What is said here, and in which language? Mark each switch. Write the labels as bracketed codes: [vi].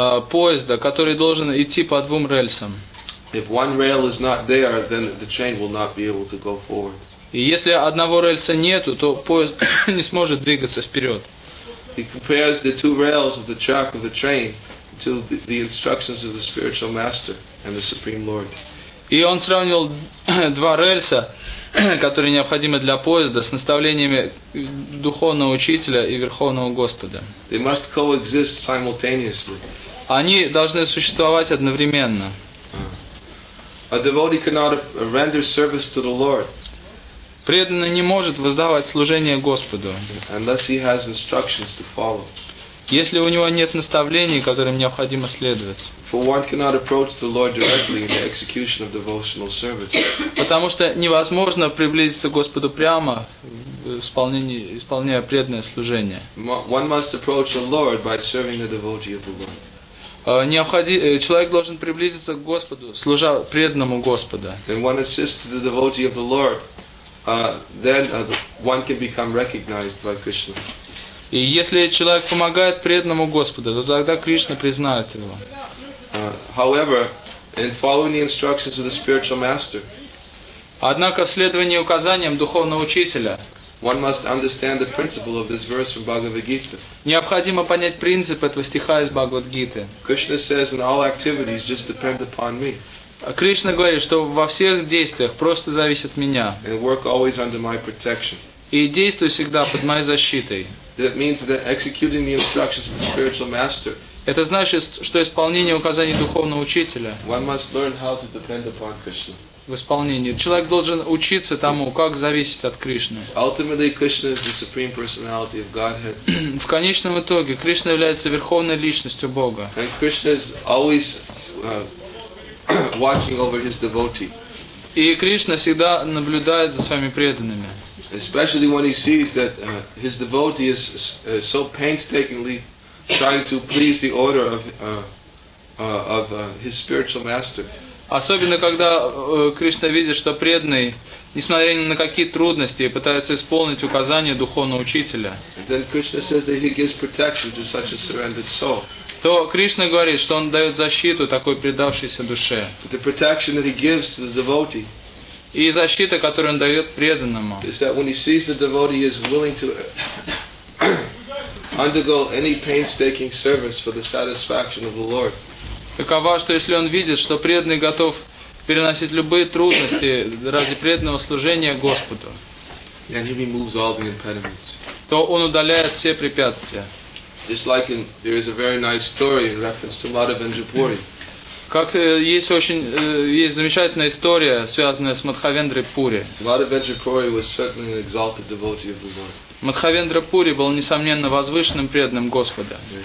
[ru] Поезда, который должен идти по двум рельсам. [en] If one rail is not there, then the train will not be able to go forward. [ru] И если одного рельса нету, то поезд не сможет двигаться вперед. [en] He compares the two rails of the track of the train to the instructions of the spiritual master and the supreme lord. [ru] И он сравнивал два рельса, которые необходимы для поезда, с наставлениями духовного учителя и верховного господа. [en] They must coexist simultaneously. [ru] Они должны существовать одновременно. [en] A devotee cannot render service to the lord. [ru] Преданный не может воздавать служение Господу, [en] unless he has instructions to follow. [ru] Если у него нет наставлений, которым необходимо следовать. [en] For one cannot approach the Lord directly in the execution of devotional service. [ru] Потому что невозможно приблизиться к Господу прямо в исполнении, исполняя преданное служение. [en] One must approach the Lord by serving the devotee of the Lord. [ru] Человек должен приблизиться к Господу, служа преданному Господу. [en] And one assists the devotee of the Lord. Then one can become recognized by Krishna. [ru] И если человек помогает преданному Господу, то тогда Кришна признает его. [en] However, and following the instructions of the spiritual master. [ru] Однако в следовании указаниям духовного учителя. [en] One must understand the principle of this verse from Bhagavad-gita. [ru] Необходимо понять принцип этого стиха из Бхагавад-гиты. [en] Krishna says, "In all activities, just depend upon me." [ru] Кришна говорит, что во всех действиях просто зависит от меня. [en] And work always under my protection. [ru] И действуй всегда под моей защитой. [en] That means that executing the instructions of the spiritual master. [ru] Это значит, что исполнение указаний духовного учителя. [en] One must learn how to depend upon Krishna. [ru] В исполнении. Человек должен учиться тому, как зависеть от Кришны. [en] Ultimately, Krishna is the supreme personality of Godhead. [ru] В конечном итоге Кришна является верховной личностью Бога. [en] And Krishna is always watching over his devotee. [ru] И Кришна всегда наблюдает за своими преданными. [en] Especially when he sees that his devotee is so painstakingly trying to please the order of his spiritual master. [ru] Особенно когда Кришна видит, что преданный, несмотря ни на какие трудности, пытается исполнить указания духовного учителя. [en] And then Krishna says that he gives protection to such a surrendered soul. [ru] То Кришна говорит, что он дает защиту такой предавшейся душе. [en] The protection that he gives to the devotee. [ru] И защита, которую он дает преданному. [en] Is that when he sees the devotee is willing to undergo any painstaking service for the satisfaction of the Lord. [ru] Такова, что если он видит, что преданный готов переносить любые трудности ради преданного служения Господу, [en] and he removes all the impediments. [ru] То он удаляет все препятствия. [en] Just like in, there is a very nice story in reference to Madhavendrapuri. [ru] Как есть очень есть замечательная история, связанная с Мадхавендрой Пури. [en] Madhavendrapuri was certainly an exalted devotee of the Lord. [ru] Мадхавендра Пури был, несомненно, возвышенным преданным Господа.